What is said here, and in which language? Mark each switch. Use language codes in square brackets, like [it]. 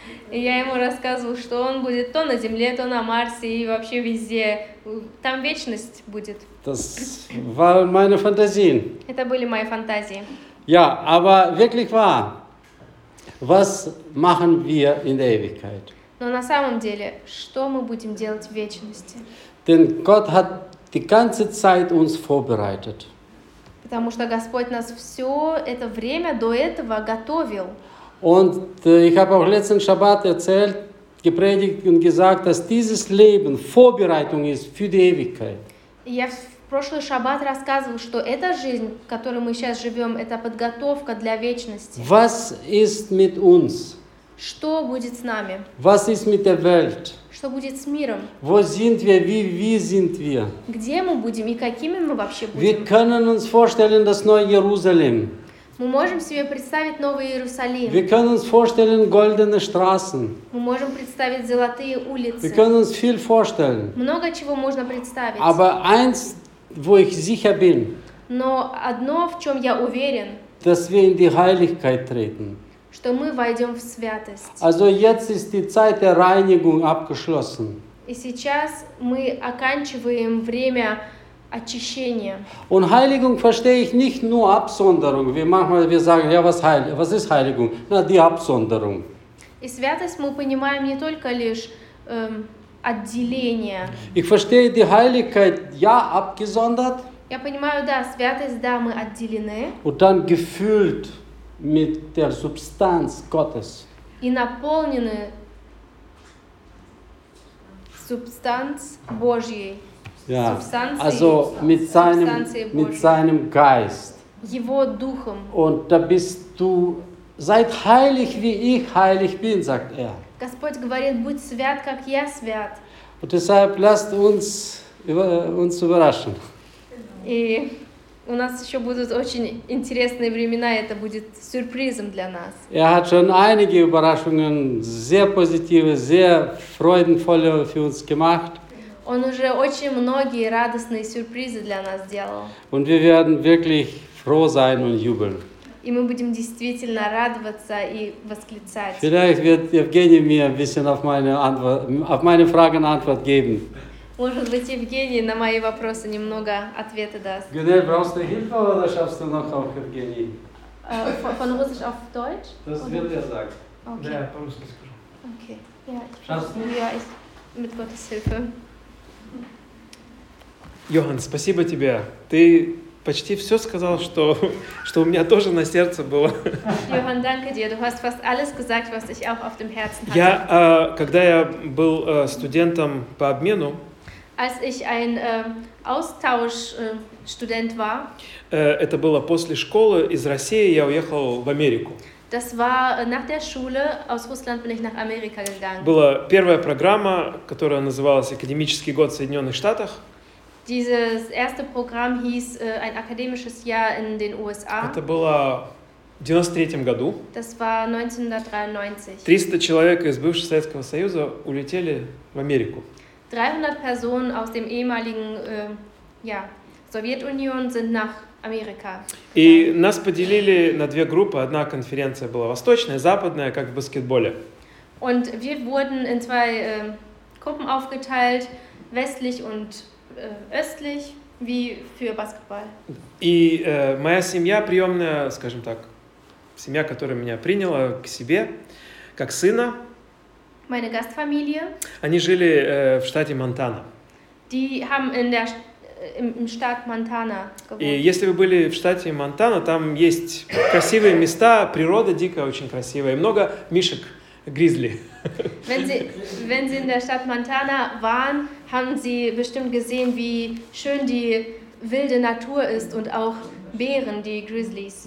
[ru] И я ему рассказывал, что он будет то на Земле, то на Марсе и вообще везде. Там вечность будет. [de] Das war meine Fantasien. [ru] Это были мои фантазии. [de] Ja, aber wirklich wahr. Was machen wir in der Ewigkeit? [ru] Но на самом деле, что мы будем делать в вечности? [de] Denn Gott hat die ganze Zeit uns vorbereitet. [ru] Потому что Господь нас все это время до этого готовил. [de] Und ich habe auch letzten Schabbat erzählt, gepredigt und gesagt, dass dieses Leben Vorbereitung ist für die Ewigkeit. [ru] Я в прошлый Шаббат рассказывал, что эта жизнь, в которой мы сейчас живем, это подготовка для вечности. [de] Was ist mit uns? [ru] Что будет с нами? [de] Was ist mit der Welt? [ru] Что будет с миром? [de] Wo sind wir? Wie sind wir? [ru] Где мы будем и какими мы вообще будем? [de] Wir können uns vorstellen das neue Jerusalem. [ru] Мы можем себе представить новый Иерусалим. [de] Wir können uns vorstellen goldene Straßen. [ru] Мы можем представить золотые улицы. [de] Wir können uns viel vorstellen. [ru] Много чего можно представить. [de] Aber eins, wo ich sicher bin. [ru] Но одно, в чем я уверен. [de] Dass wir in die Heiligkeit treten. [ru] Что мы войдем в святость. [de] Also jetzt ist die Zeit der Reinigung abgeschlossen. [ru] И сейчас мы оканчиваем время очищение. [de] Und Heiligung verstehe ich nicht nur Absonderung. Wir manchmal wir sagen, ja, was ist Heiligung? Na, die Absonderung. [ru] И святость мы понимаем не только лишь отделение. [de] Ich verstehe die Heiligkeit ja abgesondert. [ru] Я понимаю, да, святость, да, мы отделены. [de] Und dann gefüllt mit der Substanz Gottes. [ru] И наполнены Substanz Божьей. [de] Ja. Also mit seinem Substanz, mit seinem Geist. [ru] Его духом. [de] Und da bist du, seid heilig, wie ich heilig bin, sagt er. [ru] Господь говорит, будь свят, как я свят. [de] Und deshalb lasst uns uns überraschen. [ru] И у нас еще будут очень интересные времена, это будет сюрпризом для нас. [de] Er hat schon einige Überraschungen, sehr positive, sehr freudenvolle für uns gemacht. [ru] Он уже очень многие радостные сюрпризы для нас делал. [de] Und wir werden wirklich froh sein und jubeln. [ru] И мы будем действительно радоваться и восклицать. [de] Vielleicht wird Евгений mir ein bisschen auf meine Antwort, auf meine Fragen Antwort geben. [ru] Может быть, Евгений на мои вопросы немного ответы даст. [de] Гюнель, brauchst du Hilfe oder schaffst du noch auf Евгений? Von Russisch auf Deutsch? Das oder? Wird er sagen. Okay. [ru] Ja, по русски скажу. [de] Okay. Ja, ich bin, ja, ich, mit Gottes Hilfe. [ru] Johann, спасибо тебе. Ты почти все сказал, что, что у меня тоже на сердце было. [de] Johann, danke dir. Du hast fast alles gesagt, was ich auch auf dem Herzen hatte. [ru] Я, когда я был студентом по обмену, [de] als ich ein Austauschstudent war, [ru] это было после школы, из России я уехал в Америку. [de] Das war nach der Schule, aus Russland bin ich nach Amerika gegangen. [ru] Была первая программа, которая называлась «Академический год в Соединенных Штатах». [de] Dieses erste Programm hieß ein akademisches Jahr in den USA. [ru] Это было в 93-м году. [de] Das war 1993. [ru] 300 человек из бывшего Советского Союза улетели в Америку. [de] 300 Personen aus dem ehemaligen ja, Sowjetunion sind nach Amerika. [ru] И нас поделили на две группы. Одна конференция была восточная, западная, как в баскетболе. [de] Und wir wurden in zwei Gruppen aufgeteilt, westlich und östlich, wie für Basketball. [ru] И моя семья приемная, скажем так, семья, которая меня приняла к себе, как сына. [de] Meine Gastfamilie. [ru] Они жили в штате Монтана. [de] Die haben in der, im Staat Montana gewohnt. [ru] И если вы были в штате Монтана, там есть красивые места, природа дикая, очень красивая, и много мишек. Гризли. [de] Wenn sie in der Stadt Montana waren, haben sie bestimmt gesehen, wie schön die wilde Natur ist und auch Bären, die Grizzlies.